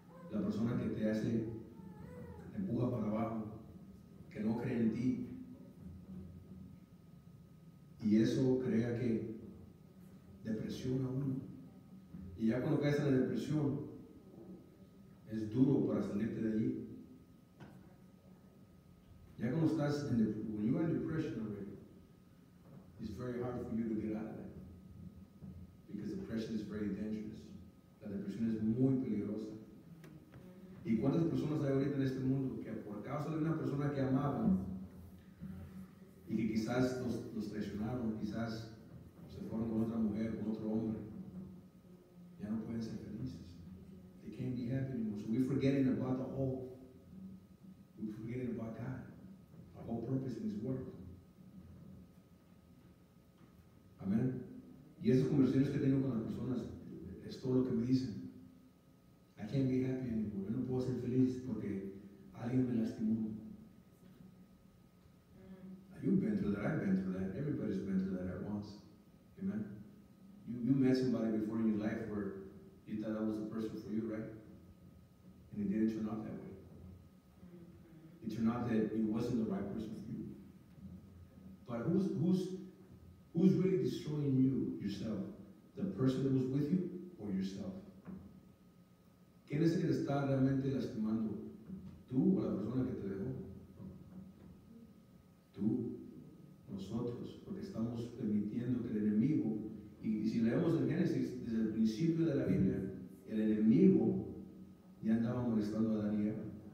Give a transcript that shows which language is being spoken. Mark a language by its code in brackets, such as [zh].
[es] La persona que te hace, te empuja para abajo, que no cree en ti. Y eso crea que depresión a uno. Y ya cuando caes en la depresión, es duro para salirte de allí. Ya cuando uno está en [en] when you're in depression already, it's very hard for you to get out of it. Because depression is very dangerous. [es] La depresión es muy peligrosa. ¿Y cuántas personas hay ahorita en este mundo que por causa de una persona que amaban y que quizás los traicionaron, quizás se fueron con otra mujer, con otro hombre, ya no pueden ser felices? [en] They can't be happy anymore. So we're forgetting about the whole. We're forgetting about God, our whole purpose in His Word. Amen. [es] Y esas conversaciones que tengo con las personas es todo lo que me dicen. [en] I can't be happy anymore. [es] Yo no puedo ser feliz porque alguien me lastimó. [en] You've been through that. I've been through that. Everybody's been through that at once. Amen. You met somebody before in your life where you thought that was the person for you, right? And it didn't turn out that way. It turned out that it wasn't the right person for you. But who's really destroying you, yourself? The person that was with you or yourself? [es] ¿Quién es el que te está realmente lastimando? ¿Tú o la persona que te dejó? Tú, nosotros, porque estamos permitiendo que el enemigo, y si leemos en Génesis, desde el principio de la Biblia, el enemigo ya andaba molestando a Adán y Eva.